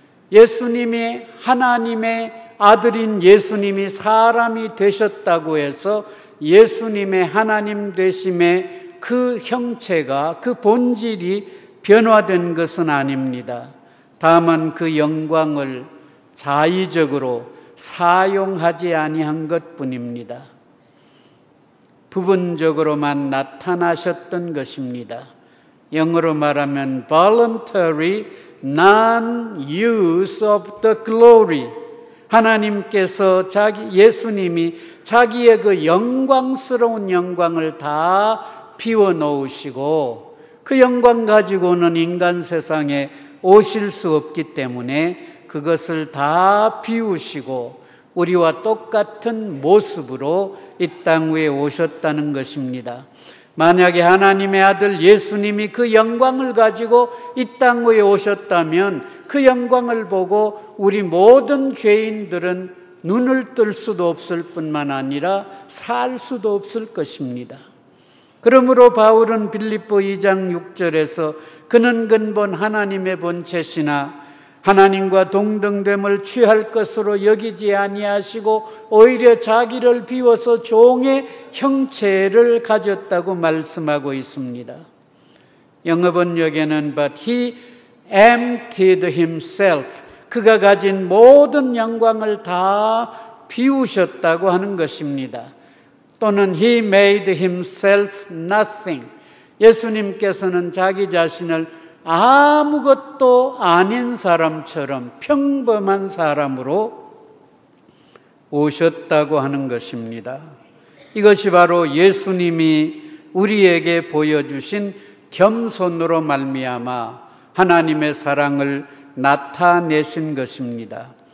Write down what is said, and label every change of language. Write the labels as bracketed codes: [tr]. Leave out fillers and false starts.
[ko] 예수님이 하나님의 아들인 예수님이 사람이 되셨다고 해서 예수님의 하나님 되심의 그 형체가, 그 본질이 변화된 것은 아닙니다. 다만 그 영광을 자의적으로 사용하지 아니한 것뿐입니다. 부분적으로만 나타나셨던 것입니다. 영어로 말하면 [en] voluntary non-use of the glory. [ko] 하나님께서 예수님이 자기의 그 영광스러운 영광을 다 비워놓으시고 그 영광 가지고는 인간 세상에 오실 수 없기 때문에 그것을 다 비우시고 우리와 똑같은 모습으로 이 땅 위에 오셨다는 것입니다. 만약에 하나님의 아들 예수님이 그 영광을 가지고 이 땅 위에 오셨다면 그 영광을 보고 우리 모든 죄인들은 눈을 뜰 수도 없을 뿐만 아니라 살 수도 없을 것입니다. 그러므로 바울은 빌립보 2장 6절에서 그는 근본 하나님의 본체시나 하나님과 동등됨을 취할 것으로 여기지 아니하시고 오히려 자기를 비워서 종의 형체를 가졌다고 말씀하고 있습니다. 영어 번역에는 [en] But he emptied himself. [ko] 그가 가진 모든 영광을 다 비우셨다고 하는 것입니다. 또는 [en] he made himself nothing. [ko] 예수님께서는 자기 자신을 아무것도 아닌 사람처럼 평범한 사람으로 오셨다고 하는 것입니다. 이것이 바로 예수님이 우리에게 보여주신 겸손으로 말미암아 하나님의 사랑을 나타내신 것입니다.